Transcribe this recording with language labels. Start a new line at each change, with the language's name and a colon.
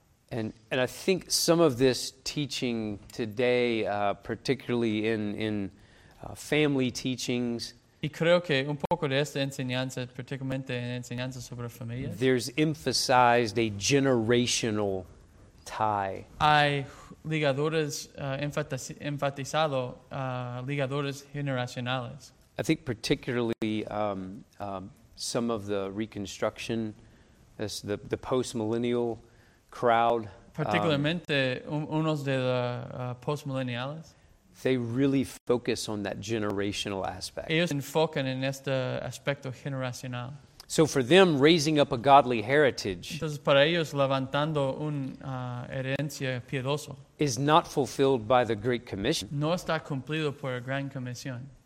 English: And I think some of this teaching today, particularly in family teachings,
Spanish: y creo que un poco de esta enseñanza, particularmente en enseñanzas sobre familias,
English: there's emphasized a generational tie.
Spanish: Hay ligaduras, enfatizado ligaduras generacionales.
English: I think particularly some of the Reconstruction, the post-millennial crowd,
Spanish: particularmente unos de los postmillennials,
English: they really focus on that generational aspect.
Spanish: Ellos enfocan en este aspecto generacional.
English: So for them, raising up a godly heritage,
Spanish: entonces para ellos levantando una herencia piedosa,
English: is not fulfilled by the Great Commission.
Spanish: No está cumplido por la Gran Comisión.